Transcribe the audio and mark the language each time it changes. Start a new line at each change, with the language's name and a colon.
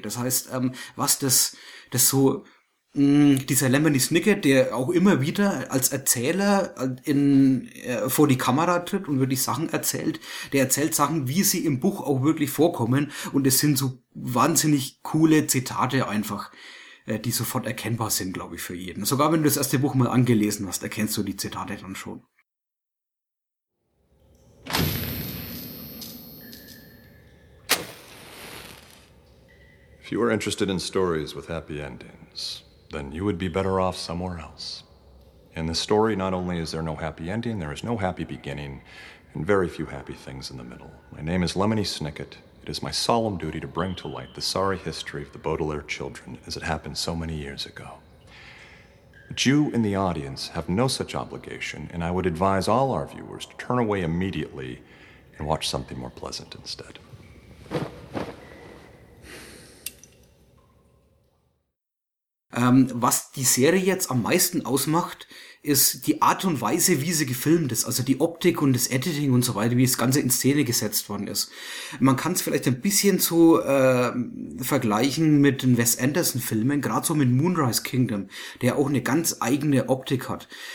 German: Das heißt, was das so, dieser Lemony Snicket, der auch immer wieder als Erzähler vor die Kamera tritt und wirklich Sachen erzählt, der erzählt Sachen, wie sie im Buch auch wirklich vorkommen. Und es sind so wahnsinnig coole Zitate einfach, die sofort erkennbar sind, glaube ich, für jeden. Sogar wenn du das erste Buch mal angelesen hast, erkennst du die Zitate dann schon.
English: If you are interested in stories with happy endings, then you would be better off somewhere else. In the story, not only is there no happy ending, there is no happy beginning and very few happy things in the middle. My name is Lemony Snicket. It is my solemn duty to bring to light the sorry history of the Baudelaire children as it happened so many years ago. But you in the audience have no such obligation, and I would advise all our viewers to turn away immediately and watch something more pleasant instead.
German: Was die Serie jetzt am meisten ausmacht, ist die Art und Weise, wie sie gefilmt ist, also die Optik und das Editing und so weiter, wie das Ganze in Szene gesetzt worden ist. Man kann es vielleicht ein bisschen so vergleichen mit den Wes Anderson-Filmen, gerade so mit Moonrise Kingdom, der auch eine ganz eigene Optik hat.